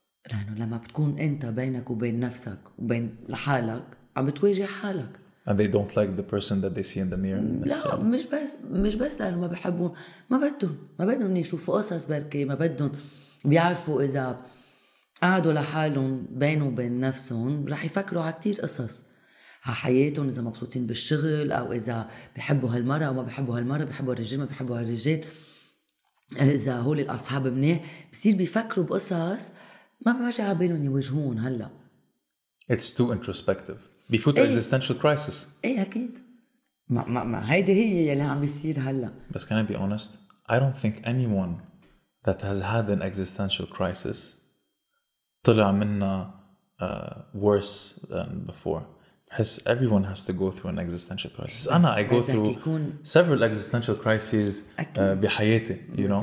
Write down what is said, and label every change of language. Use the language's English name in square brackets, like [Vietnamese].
[Arabic] لأنه لما بتكون أنت بينك وبين نفسك وبين حالك عم بتواجه حالك. [English] And they don't like the person that they see in the mirror. [Arabic] لا مش بس لأنه ما بحبون ما بدهم يشوفوا قصص بركة ما بدهم بيعرفوا إذا قعدوا لحالهم بينه وبين نفسهم رح يفكروا على كتير قصص على حياتهم إذا مبسوطين بالشغل أو إذا بيحبوا هالمرة أو ما بيحبوا هالمرة بيحبوا الرجال ما بيحبوا هالرجال إذا هول الأصحاب منيح بصير بيفكروا بقصص ما بمشي على بالهم يواجهون هلا [English] It's too introspective. بفوت إيه. existential crisis [Arabic] ايه اكيد ما هيدا هي يلي عم بيصير هلا [English] بس can I be honest I don't think anyone that has had an existential crisis [Arabic] طلع منا [English] worse than before has, everyone has to go through an existential crisis. أنا, I go through several existential crises بحياتي, you know.